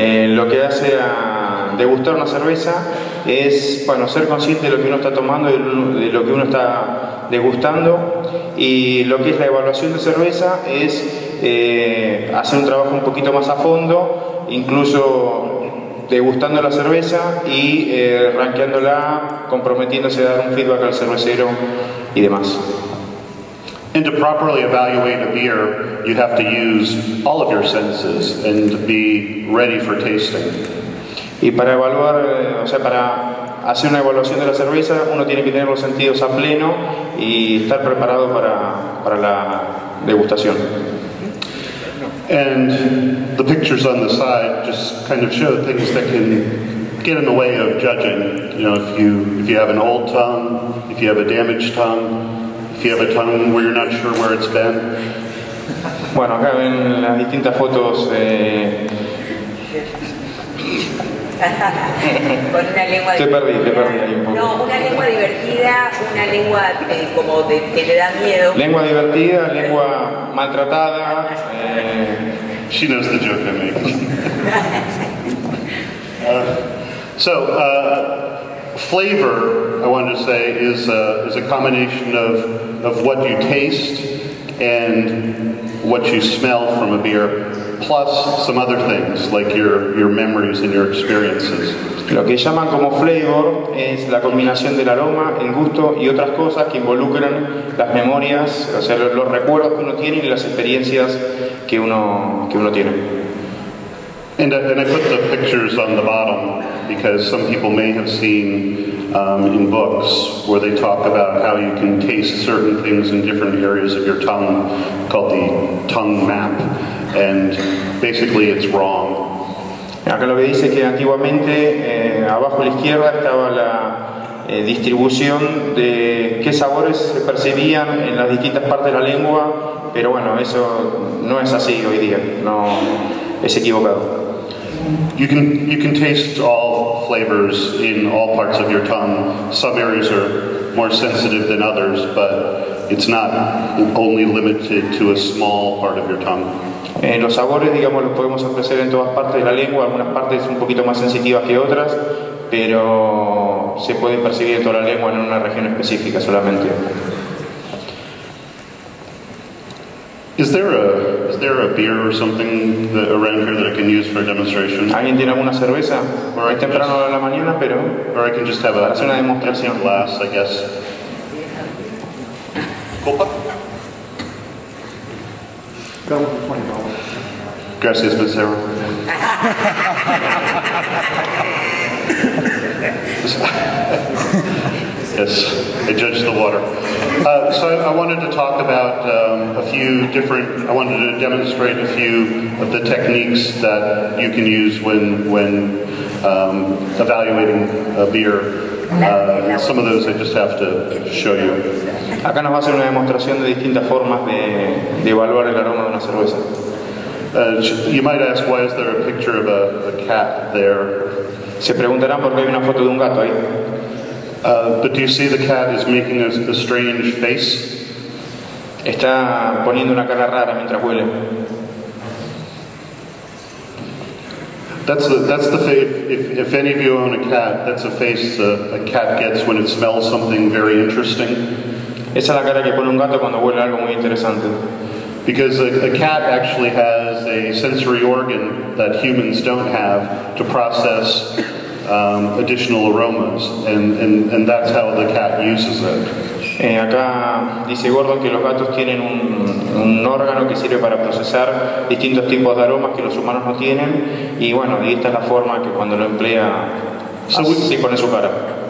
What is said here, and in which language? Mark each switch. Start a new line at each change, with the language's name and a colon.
Spanish: Lo que hace a degustar una cerveza es, bueno, ser consciente de lo que uno está tomando y de lo que uno está degustando. Y lo que es la evaluación de cerveza es hacer un trabajo un poquito más a fondo, incluso degustando la cerveza y rankeándola, comprometiéndose a dar un feedback al cervecero y demás.
English: And to properly evaluate a beer, you have to use all of your senses and be ready for tasting.
Spanish: Y para evaluar, o sea, para hacer una evaluación de la cerveza, uno tiene que tener los sentidos a pleno y estar preparado para la degustación.
English: And the pictures on the side just kind of show things that can get in the way of judging. You know, if you have an old tongue, if you have a damaged tongue, if you have a tongue where you're not sure where it's been.
Spanish: Bueno, acá ven las distintas fotos. Con una lengua divertida, una lengua como de que le da miedo. Lengua divertida, lengua maltratada.
English: She knows the joke I make. Flavor, I wanted to say, is a combination of what you taste and what you smell from a beer, plus some other things like your memories and your experiences.
Spanish: Lo que llaman como flavor es la combinación del aroma, el gusto y otras cosas que involucran las memorias, o sea, los recuerdos que uno tiene y las experiencias que uno tiene.
English: And I put the pictures on the bottom because some people may have seen in books where they talk about how you can taste certain things in different areas of your tongue, called the tongue map. And basically, it's wrong.
Spanish: Acá lo que dice es que antiguamente abajo a la izquierda estaba la distribución de qué sabores se percibían en las distintas partes de la lengua, pero bueno, eso no es así hoy día. No, es equivocado.
English: You can taste all flavors in all parts of your tongue. Some areas are more sensitive than others, but it's not only limited to a small part of your tongue.
Spanish: Los sabores, digamos, los podemos apreciar en todas partes de la lengua, algunas partes un poquito más sensitivas que otras, pero se pueden percibir en toda la lengua, en una región específica solamente.
English: Is there a beer or something that around here that I can use for a demonstration?
Spanish: ¿Alguien tiene alguna cerveza?
English: Or
Spanish: es temprano en la mañana, pero
English: I can just have
Spanish: hacer una demostración.
English: Glass, I guess.
Spanish: Copa? Gracias, Ms. Sarah. So,
English: Yes, I judge the water. So I wanted to talk about I wanted to demonstrate a few of the techniques that you can use when evaluating a beer. Some of those I just have to show you.
Spanish: Acá nos va a hacer una demostración de distintas formas de evaluar el aroma de una cerveza.
English: You might ask, why is there a picture of a cat there?
Spanish: Se preguntarán por qué hay una foto de un gato ahí.
English: But do you see the cat is making a strange face?
Spanish: Está poniendo una cara rara mientras huele.
English: If any of you own a cat, that's a face a cat gets when it smells something very interesting.
Spanish: Esa es la cara que pone un gato cuando huele algo muy interesante.
English: Because a cat actually has a sensory organ that humans don't have to process additional aromas, and that's how the cat uses it.
Spanish: Acá dice Gordon que los gatos tienen un órgano que sirve para procesar distintos tipos de aromas que los humanos no tienen, y bueno, y esta es la forma que cuando lo emplea así pone su cara.